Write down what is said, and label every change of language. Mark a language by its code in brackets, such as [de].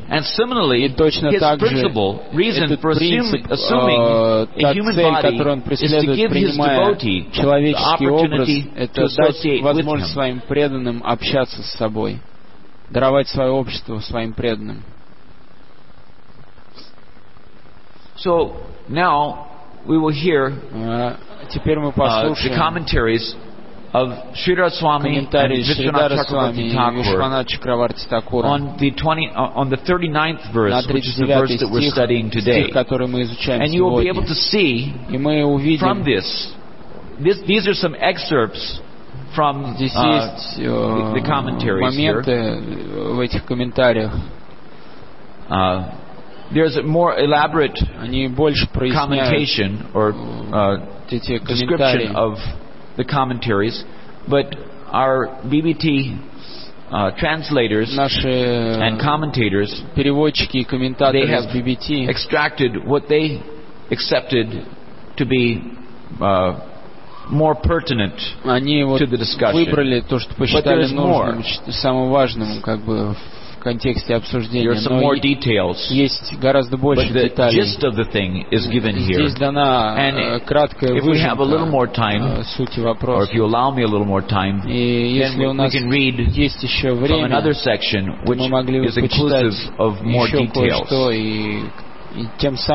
[en] And similarly, his principle reason for assuming a human [ru] цель, [en] body, is to give his devotee the opportunity to associate with him, [ru] своим преданным общаться с собой, даровать свое общество своим преданным. [en] So now we will hear the commentaries of Sridhara Swami and Vishwanatha Chakravarti Thakur on the 39th verse, which is the verse that we're studying today. And you will be able to see from this, these are some excerpts from the commentaries here. There's a more elaborate commentation or description of the commentaries, but our BBT translators and commentators, they have BBT extracted what they accepted to be more pertinent to the discussion. [ru] Выбрали то, что посчитали нужным, самым важным, как бы. [en] There are some more details, but the gist of the thing is given here. And if we have a little more time, or if you allow me a little more time, then we can read from another section, which is inclusive of more details.